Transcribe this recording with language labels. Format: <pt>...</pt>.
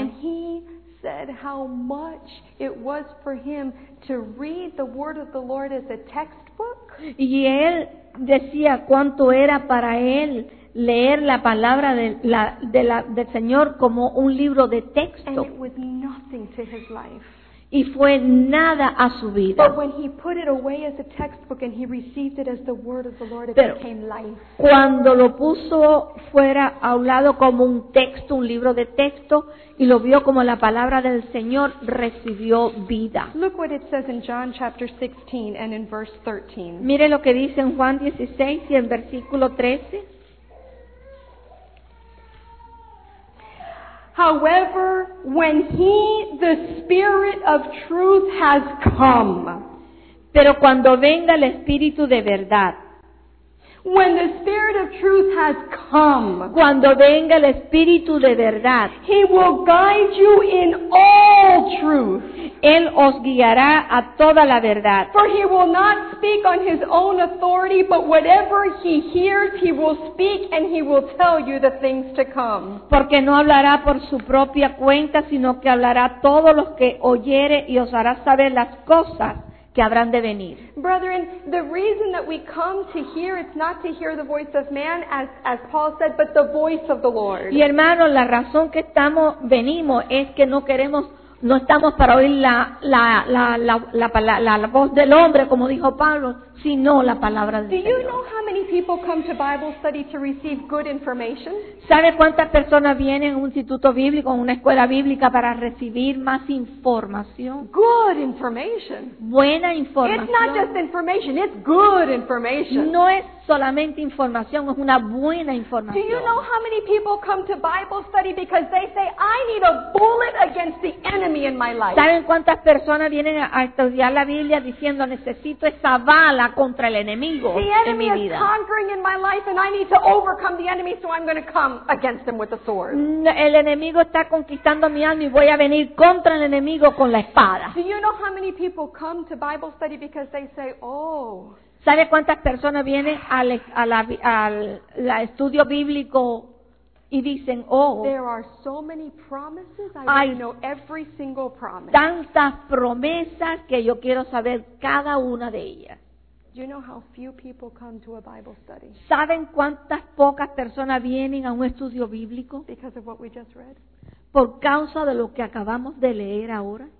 <en>And he said how much it was for him to read the Word of the Lord as a textbook.</en> <es>Y él decía cuánto era para él leer la palabra del Señor como un libro de texto.</es> <en>And it was nothing to his life.</en> <es>Y fue nada a su vida.</es> <en>But when he put it away as a textbook and he received it as the word of the Lord, it became life.</en> <es>Cuando lo puso fuera a un lado como un texto, un libro de texto, y lo vio como la palabra del Señor, recibió vida.</es> <en>Look what it says in John chapter 16 and in verse 13.</en> <es>Mire lo que dice en Juan 16 y en versículo 13.</es> <en>However, when he, the Spirit of truth, has come.</en> <es>Pero cuando venga el Espíritu de verdad.</es> <en>When the Spirit of truth has come.</en> <es>Cuando venga el Espíritu de verdad.</es> <en>He will guide you in all truth.</en> <es>Él os guiará a toda la verdad.</es> <en>For he will not speak on his own authority, but whatever he hears, he will speak and he will tell you the things to come.</en> <es>Porque no hablará por su propia cuenta, sino que hablará todo lo que oyere y os hará saber las cosas que habrán de venir.</es> <en>Brethren, the reason that we come to hear, it's not to hear the voice of man, as Paul said, but the voice of the Lord.</en> <es>Y hermanos, la razón que estamos venimos es que no queremos, no estamos para oír la voz del hombre, como dijo Pablo, sino la palabra del Señor.</es> <en>Do you know how many people come to Bible study to receive good information?</en> <es>¿Sabe cuántas personas vienen a un instituto bíblico, a una escuela bíblica para recibir más información?</es> <en>Good information.</en> <es>Buena información.</es> <en>It's not just information, it's good information.</en> <es>No es solamente información, es una buena información.</es> <en>Do you know how many people come to Bible study because they say, I need a bullet against the enemy in my life?</en> <es>¿Saben cuántas personas vienen a estudiar la Biblia diciendo, necesito esa bala contra el enemigo en mi vida?</es> <en>The enemy is conquering in my life and I need to overcome the enemy, so I'm going to come against him with the sword.</en> <es>El enemigo está conquistando mi alma y voy a venir contra el enemigo con la espada.</es> <en>Do you know how many people come to Bible study because they say, oh?</en> <es>¿Sabe cuántas personas vienen al estudio bíblico y dicen, oh?</es> <en>There are so many promises, I want to know every single promise.</en> <es>Tantas promesas que yo quiero saber cada una de ellas.</es> <en>Do you know how few people come to a Bible study?</en> <es>¿Saben cuántas pocas personas vienen a un estudio bíblico?</es> <en>Because of what we just read.</en> <es>Por causa de lo que acabamos de leer ahora.</es>